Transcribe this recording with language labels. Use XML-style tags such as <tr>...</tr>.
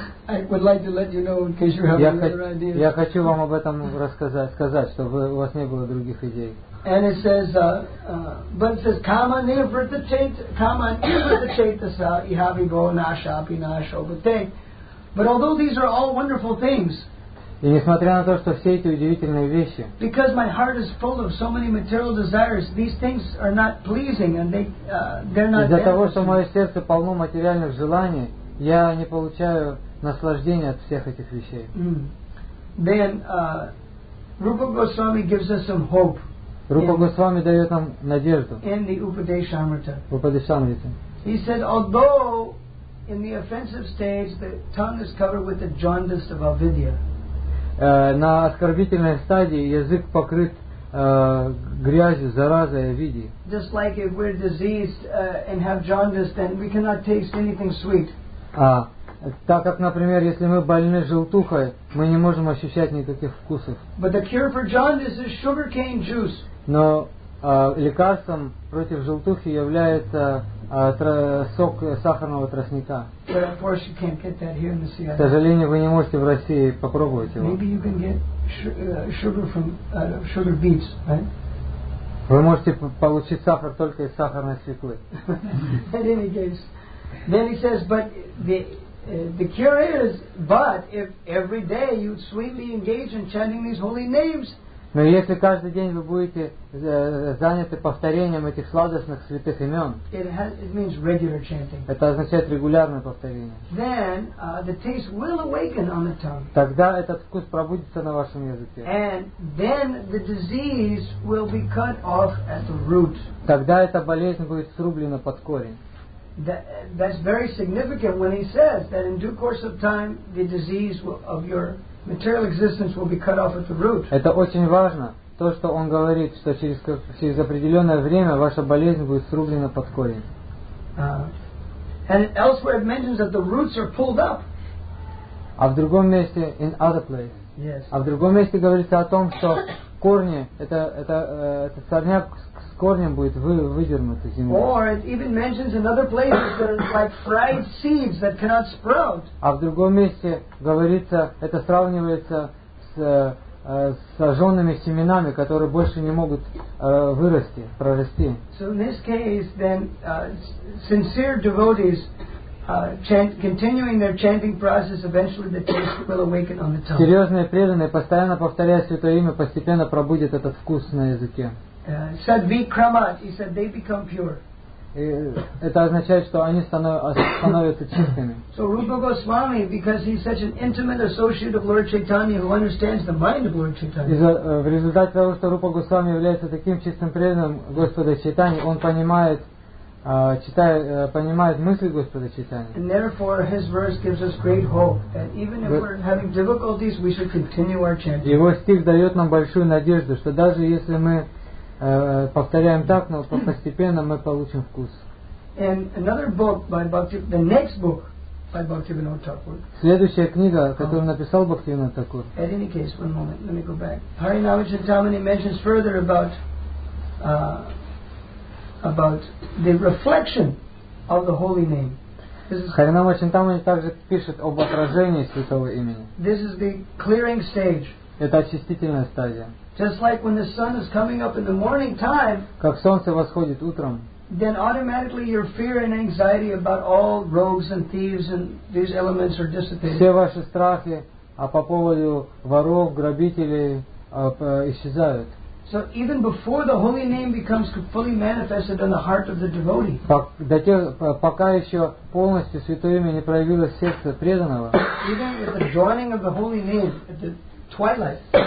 <ru>Я хочу вам об этом рассказать, сказать, чтобы у вас не было других идей.</ru> <en>And it says, but it says,</en> <sa>kama nirvritta cheta, kama nirvritta cheta sa ihavi go nasha api nasha obate.</sa> <en>But although these are all wonderful things,</en> <ru>и несмотря на то, что все эти удивительные вещи,</ru> <en>because my heart is full of so many material desires, these things are not pleasing and they're not.</en> <ru>Из-за того, что мое сердце полно материальных желаний, я не получаю наслаждения от всех этих вещей.</ru> <en>Then Rupa Goswami gives us some hope.</en> <ru>Рупа Госвами дает нам надежду.</ru> <en>In the Upadeshamrita.</en> <ru>В Упадешамрите.</ru> <en>He said, although in the offensive stage, the tongue is covered with the jaundice of avidya.</en> <ru>На оскорбительной стадии язык покрыт грязью, заразой авидьи.</ru> <en>Just like if we're diseased and have jaundice, then we cannot taste anything sweet.</en> <ru>Так как, например, если мы больны желтухой, мы не можем ощущать никаких вкусов.</ru> <en>But the cure for jaundice is sugarcane juice.</en> <ru>Но лекарством против желтухи является сок сахарного тростника. К сожалению, вы не можете в России попробовать его.</ru> <en>Maybe you can get sugar from sugar beets, right?</en> <ru>Вы можете получить сахар только из сахарной свеклы.</ru> <en>In any case, then he says, but the cure is, but if every day you sweetly engage in chanting these holy names.</en> <ru>Но если каждый день вы будете заняты повторением этих сладостных святых имен,</ru> <en>it means regular chanting.</en> <ru>Это означает регулярное повторение.</ru> <en>Then, the taste will awaken on the tongue.</en> <ru>Тогда этот вкус пробудится на вашем языке.</ru> <en>And then the disease will be cut off at the root.</en> <ru>Тогда эта болезнь будет срублена под корень.</ru> <en>That's very significant when he says that in due course of time the disease of your material existence will be cut off at the root.</en> <ru>Это очень важно, то, что он говорит, что через определенное время ваша болезнь будет срублена под корень.</ru> <en>And elsewhere it mentions that the roots are pulled up.</en> <ru>А в другом месте,</ru> <en>in other place. Yes.</en> <ru>А в другом месте говорится о том, что корни, это сорняк с корнем будет выдернут из земли.</ru> <en>Or it even mentions in other places that it's like fried seeds that cannot sprout.</en> <ru>А в другом месте говорится, это сравнивается с сожженными семенами, которые больше не могут вырасти, прорасти.</ru> <en>So in this case, then sincere devotees continuing their chanting process, eventually the taste will awaken on the tongue.</en> <ru>Серьезные преданные, постоянно повторяя святое имя, постепенно пробудет этот вкус на языке.</ru> <en>Said vikramat, he said they become pure.</en> <ru>Это означает, что они становятся чистыми.</ru> <en>So Rupa Goswami, because he's such an intimate associate of Lord Chaitanya, who understands the mind of Lord Chaitanya.</en> <ru>В результате того, что Рупа Госвами является таким чистым преданным Господа Чайтани, он понимает. Понимает мысли Господа Чайтаньи.</ru> <en>And therefore his verse gives us great hope that even if we're having difficulties, we should continue our chanting.</en> <ru>Его стих дает нам большую надежду, что даже если мы повторяем так, но постепенно мы получим вкус.</ru> <en>And another book by the next book by Bhaktivinoda Thakur.</en> <ru>Следующая книга, которую написал Бхактивинода Такур.</ru> <en>At any case, one moment, let me go back. Harinava Chintamani mentions further about the reflection of the holy name.</en> <ru>Харинама Чинтамани также пишет об отражении святого имени.</ru> <en>This is the clearing stage.</en> <ru>Это очистительная стадия.</ru> <en>Just like when the sun is coming up in the morning time.</en> <ru>Как солнце восходит утром.</ru> <en>Then automatically your fear and anxiety about all rogues and thieves and these elements are dissipated.</en> <ru>Все ваши страхи по поводу воров, грабителей исчезают.</ru> <en>So even before the holy name becomes fully manifested in the heart of the devotee.</en> <ru>Пока еще полностью святое имя не проявилось в сердце преданного.</ru> <en>Even with the dawning of the holy name at the twilight.</en>